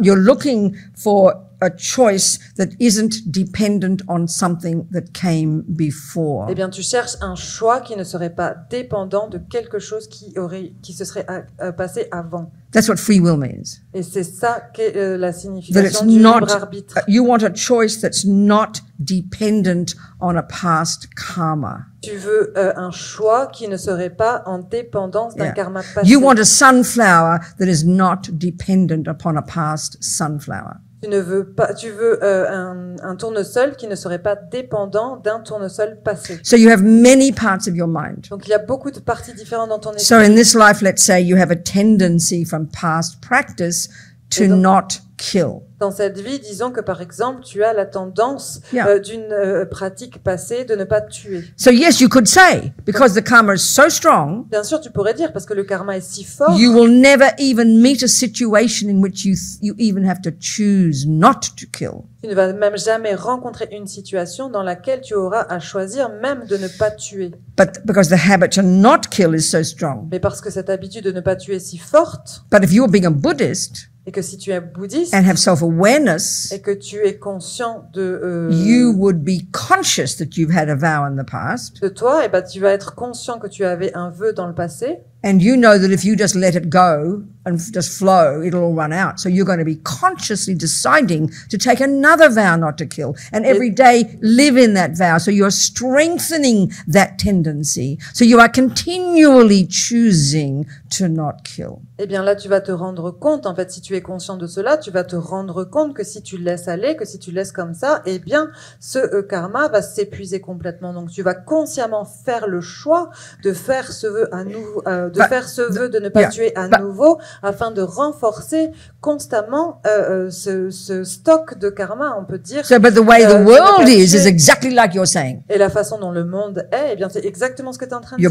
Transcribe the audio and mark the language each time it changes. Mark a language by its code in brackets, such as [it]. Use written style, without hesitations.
[en] You're looking for a choice that isn't dependent on something that came before. [fr] Eh bien, tu cherches un choix qui ne serait pas dépendant de quelque chose qui se serait passé avant. [en] That's what free will means. [fr] Et c'est ça qu'est la signification du libre arbitre. [en] You want a choice that's not dependent on a past karma. [fr] Tu veux un choix qui ne serait pas en dépendance d'un karma passé. [en] You want a sunflower that is not dependent upon a past sunflower. [fr] Tu ne veux pas, tu veux un tournesol qui ne serait pas dépendant d'un tournesol passé. [en] So you have many parts of your mind. [fr] Donc il y a beaucoup de parties différentes dans ton esprit. [en] So in this life, let's say you have a tendency from past practice to donc, not kill. [fr] Dans cette vie, disons que par exemple, tu as la tendance d'une pratique passée de ne pas tuer. [en] So yes, you could say because the karma is so strong. [fr] Bien sûr, tu pourrais dire parce que le karma est si fort. [en] You will never even meet a situation in which you even have to choose not to kill. [fr] Tu ne vas même jamais rencontrer une situation dans laquelle tu auras à choisir même de ne pas tuer. [en] But because the habit to not kill is so strong. [fr] Mais parce que cette habitude de ne pas tuer est si forte. [en] But if you are being a Buddhist. [fr] Et que si tu es bouddhiste, [en] and have self-awareness, [fr] et que tu es conscient de, [en] you would be conscious that you've had a vow in the past. [fr] De toi, et ben tu vas être conscient que tu avais un vœu dans le passé. [en] And you know that if you just let it go and just flow, it'll all run out. So you're going to be consciously deciding to take another vow not to kill. And every day live in that vow. So you're strengthening that tendency. So you are continually choosing to not kill. [fr] Eh bien là, tu vas te rendre compte, en fait, si tu es conscient de cela, tu vas te rendre compte que si tu laisses aller, que si tu laisses comme ça, eh bien, ce karma va s'épuiser complètement. Donc tu vas consciemment faire le choix de faire ce vœu à nouveau. De but, faire ce vœu de ne pas tuer à nouveau afin de renforcer constamment ce stock de karma, on peut dire. [en] So, but the way the world is exactly like you're saying. [fr] Et la façon dont le monde est, eh bien, c'est exactement ce que tu es en train de